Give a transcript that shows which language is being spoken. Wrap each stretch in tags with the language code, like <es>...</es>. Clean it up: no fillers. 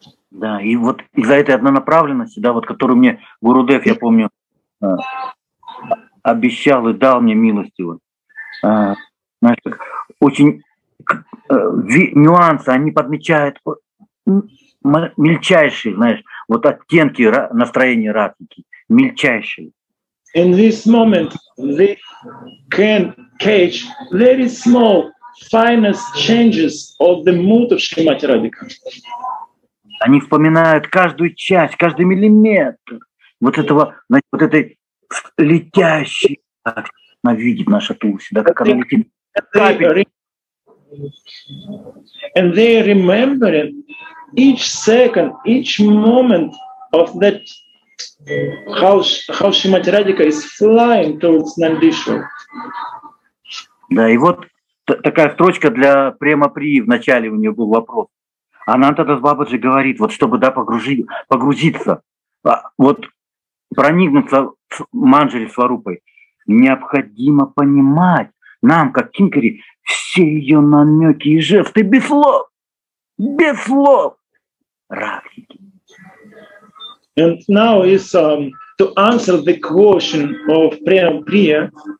<ru>Да, и вот из-за этой однонаправленности, да, вот которую мне Гурудев, я помню, обещал и дал мне милостиво. Знаешь, как, очень нюансы, они подмечают мельчайшие, знаешь, вот оттенки настроения Радхики, мельчайшие.</ru> <en>In this moment they can catch very small, finest changes of the mood of Shrimati Radhika.</en> <ru>Они вспоминают каждую часть, каждый миллиметр вот этого, значит, вот этой летящей, как она видит наша Туси, да, как она летит.</ru> <en>And they remember each second, each moment of that, how Shrimati Radhika is flying towards Nandishwar.</en> <ru>Да, и вот такая строчка для Према Прии, в начале у нее был вопрос. Ананта Бабаджи говорит, вот чтобы, да, погрузиться, вот проникнуться в Манджари Сварупой, необходимо понимать нам, как Кинкари, все ее намеки и жесты без слов. Без слов. Радхики.</ru> <en>And now is to answer the question of Prem Priya.</en>